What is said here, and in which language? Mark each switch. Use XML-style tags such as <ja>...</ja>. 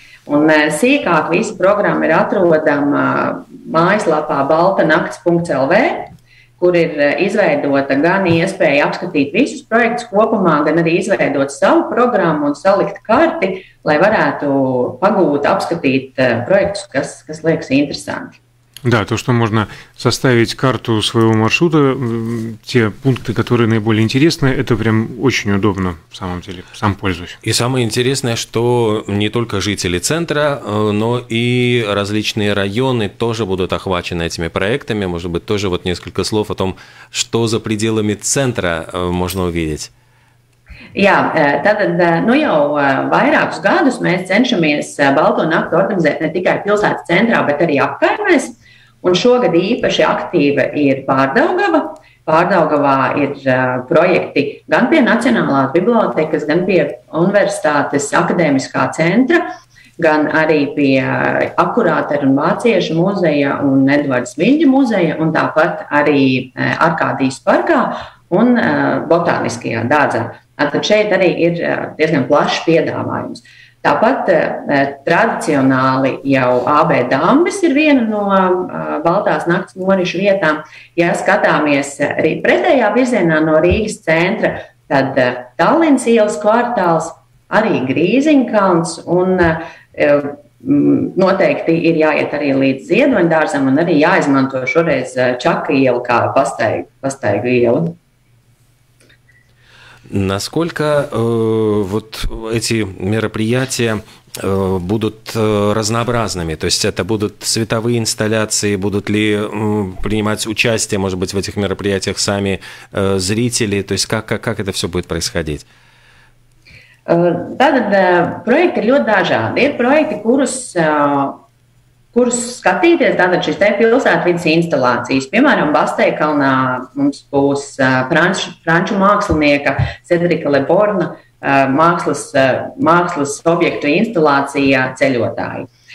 <lv>Un sīkāk visa programma ir atrodama mājaslapā baltanakts.lv, kur ir izveidota gan iespēja apskatīt visus projektus kopumā, gan arī izveidot savu programmu un salikt karti, lai varētu pagūt, apskatīt projektus, kas liekas interesanti.</lv> <ru>Да, то, что можно составить карту своего маршрута, те пункты, которые наиболее интересны, это прям очень удобно, в самом деле, сам пользуюсь. И самое интересное, что не только жители центра, но и различные районы тоже будут охвачены этими проектами. Может быть, тоже вот несколько слов о том, что за пределами центра можно увидеть.</ru> <lv>Jā, tātad nu jau vairākus gadus mēs cenšamies Balto nakti organizēt ne tikai pilsētas centrā, bet arī apkaimēs, un šogad īpaši aktīva ir Pārdaugava. Pārdaugavā ir projekti gan pie Nacionālās bibliotekas, gan pie Universitātes akadēmiskā centra, gan arī pie Akurātera un Vācieša muzeja un Edvards Viļņa muzeja, un tāpat arī Arkādijas parkā un botāniskajā dārzā. Tad šeit arī ir diezgan plašs piedāvājums. Tāpat tradicionāli jau AB Dambis ir viena no Baltās nakts norišu vietām. Ja skatāmies arī pretējā virzienā no Rīgas centra, tad Tallinas ielas kvartāls, arī Grīziņkalns un noteikti ir jāiet arī līdz Ziedoņdārzam un arī jāizmanto šoreiz Čaka ielu kā pastaigu ielu.</lv> <ru>Насколько вот эти мероприятия будут разнообразными? То есть это будут световые инсталляции, будут ли принимать участие, может быть, в этих мероприятиях сами зрители? То есть как это все будет происходить?</ru> <lv>Tātad projekti ir ļoti dažādi. Ir projekti, kurus skatīties, tātad šis te pilsētvidas instalācijas. Piemēram, Basteikalnā mums būs franču mākslinieka Cedrika Leborna mākslas objektu instalācija ceļotāji.</lv>